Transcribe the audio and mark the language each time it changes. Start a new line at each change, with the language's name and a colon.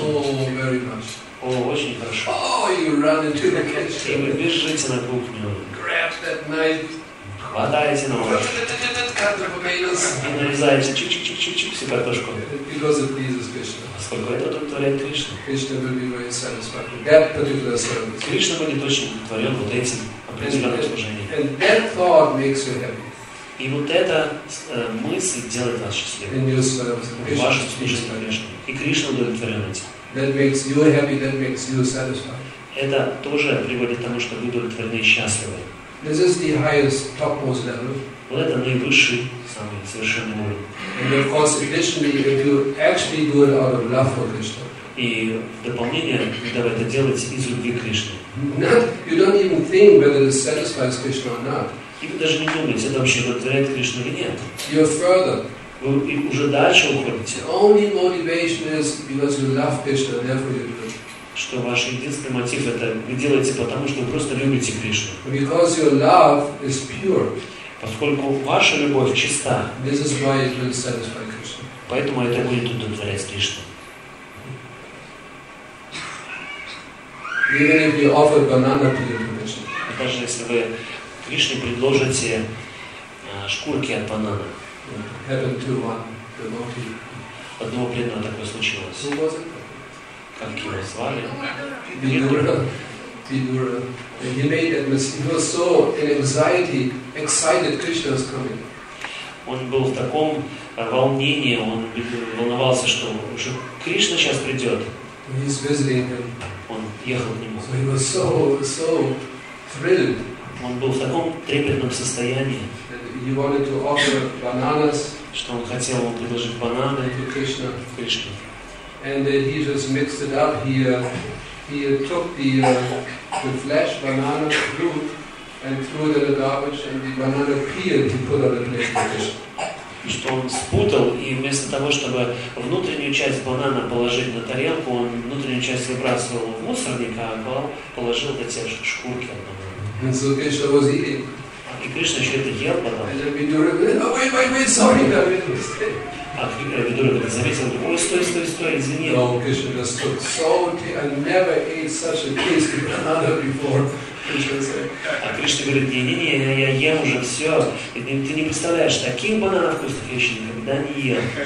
English: Oh, very much.
Russian: О, очень хорошо.
English: Oh, you run into the kitchen.
Russian: И вы бежите на кухню.
English: Grab that knife.
Russian: Хватаете нож. И нарезаете чик-чик-чик-чик-чик всю картошку.
English: Because it pleases Krishna.
Russian: Поскольку это удовлетворяет Кришну.
English: Krishna will be very satisfied with that particular service.
Russian: Кришна будет очень удовлетворен вот этим определенным служением.
English: And that thought makes you happy.
Russian: И вот эта мысль делает вас счастливым.
English: In
Russian: вашем служении, конечно. И Кришна удовлетворен этим.
English: That makes you happy, that makes you satisfied.
Russian: Это тоже приводит к тому, что вы удовлетворены и счастливы.
English: This is the highest, topmost level.
Russian: Вот это наивысший, самый совершенный уровень.
English: And of course, additionally, if you actually do it out of love for Krishna.
Russian: И в дополнение, когда вы это делаете из любви к Кришне.
English: You don't even think whether it satisfies Krishna or not.
Russian: И вы даже не думаете, это вообще удовлетворяет Кришну или нет.
English: You're further.
Russian: Вы уже дальше уходите.
English: Only motivation is because you love Krishna, therefore you do it.
Russian: Что ваш единственный мотив это вы делаете потому, что вы просто любите Кришну.
English: Because your love is pure.
Russian: Поскольку ваша любовь чиста.
English: This is why it will satisfy Krishna.
Russian: Поэтому это будет удовлетворять Кришну.
English: Even if you offer banana to your Krishna.
Russian: И даже если вы Кришне предложите шкурки от банана.
English: Happened to one devotee.
Russian: Одного преданного такое случилось.
English: Who was it?
Russian: Как его звали?
English: Vidura. He made that mistake. He was so in anxiety, excited. Krishna was coming.
Russian: Он был в таком волнении. Он волновался, что уже Кришна сейчас придет.
English: He's visiting him.
Russian: Он ехал к нему.
English: So he was so thrilled.
Russian: Он был в таком трепетном состоянии.
English: He wanted to offer bananas.
Russian: Что он хотел, он предложить бананы.
English: To Krishna.
Russian: Кришне.
English: And he just mixed it up. He took the flesh banana root and threw it in the garbage, and the banana peel he put on the plate for Krishna.
Russian: Что он спутал, и вместо того, чтобы внутреннюю часть банана положить на тарелку, он внутреннюю часть выбрасывал в мусорник, а положил на те же шкурки от банана.
English: And so Krishna was eating.
Russian: И Кришна еще это ел потом.
English: And then Vidura said, "Oh, wait, sorry, that was mistake."
Russian: А Ведура когда заметил, говорит, ой, стой, извини.
English: No, Krishna just took salty, I never ate such a tasty banana before.
Russian: А Кришна говорит, не-не-не, я ем уже все. Ты не представляешь, таких бананов вкусных я еще никогда не ел.